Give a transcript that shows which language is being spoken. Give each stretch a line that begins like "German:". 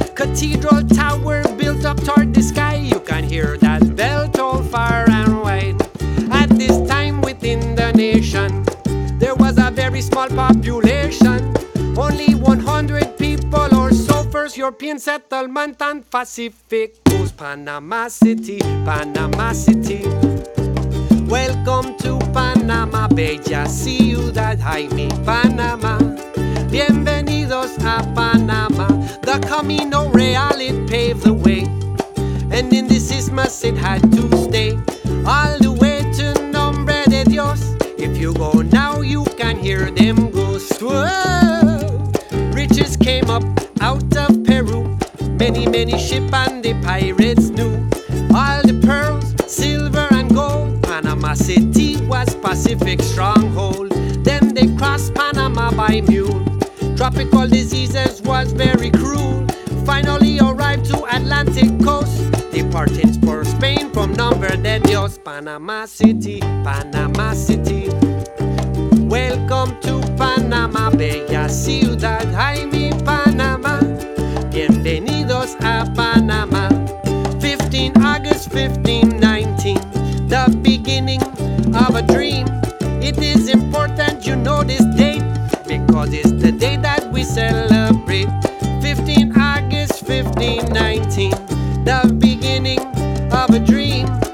English: Cathedral tower built up toward the sky. You can hear that bell toll far and wide. At this time within the nation, there was a very small population. Only 100 people or so. First European settlement and Pacific coast. Panama City, Panama City. Welcome to Panama, bella ciudad.
Spanish: Ay, mi Panama. Bienvenidos a Panama.
English: The Camino Real, it paved the way. And in this isthmus it had to stay. All the way to Nombre de Dios. If you go now, you can hear them ghosts. Whoa! Riches came up out of Peru. Many, many ships and the pirates knew. All the pearls, silver and gold. Panama City was Pacific stronghold. Then they crossed Panama by mule. Tropical diseases was very cruel. Finally arrived to Atlantic coast. Departing for Spain from Nombre de Dios. Panama City, Panama City. Welcome to Panama, bella ciudad.
Spanish: Ay, mi Panama. Bienvenidos a Panama.
English: 15 August 1519, the beginning of a dream. It is important you know this date because it's the day that we celebrate. 15 August 1519, the beginning of a dream.